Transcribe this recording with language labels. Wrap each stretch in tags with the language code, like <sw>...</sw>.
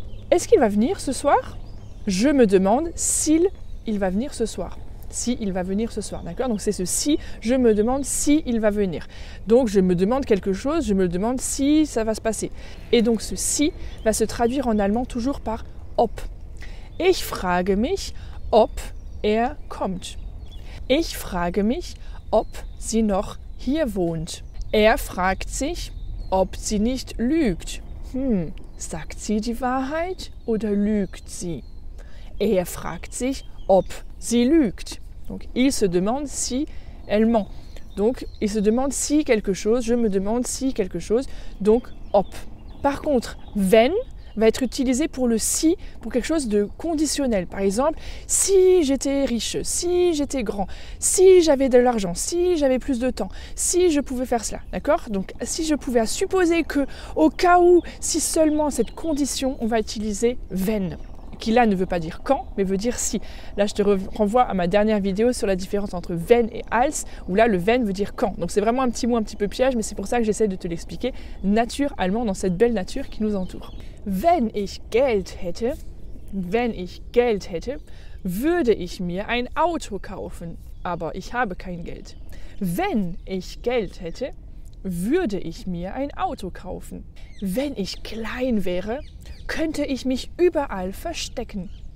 <fr>Est-ce qu'il va venir ce soir? Je me demande s'il il va venir ce soir. Si il va venir ce soir, d'accord? Donc c'est ce si, je me demande si il va venir. Donc je me demande quelque chose, je me demande si ça va se passer. Et donc ce si va se traduire en allemand toujours par ob.</fr> <de>Ich frage mich, ob er kommt. Ich frage mich, ob sie noch hier wohnt. Er fragt sich, ob sie nicht lügt. Sagt sie die Wahrheit oder lügt sie? Er fragt sich, ob sie lügt.</de> <fr>Donc, il se demande si elle ment. Donc, il se demande si quelque chose, je me demande si quelque chose. Donc, ob. Par contre, wenn va être utilisé pour le si, pour quelque chose de conditionnel. Par exemple, si j'étais riche, si j'étais grand, si j'avais de l'argent, si j'avais plus de temps, si je pouvais faire cela, d'accord? Donc, si je pouvais supposer que, au cas où, si seulement cette condition, on va utiliser wenn. Qui là ne veut pas dire quand, mais veut dire si. Là, je te renvoie à ma dernière vidéo sur la différence entre wenn et als, où là, le wenn veut dire quand. Donc, c'est vraiment un petit mot un petit peu piège, mais c'est pour ça que j'essaie de te l'expliquer. Nature allemande dans cette belle nature qui nous entoure.</fr> <de>Wenn ich Geld hätte, wenn ich Geld hätte, würde ich mir ein Auto kaufen, aber ich habe kein Geld. Wenn ich Geld hätte, würde ich mir ein Auto kaufen. Wenn ich klein wäre, könnte ich mich überall verstecken.</de>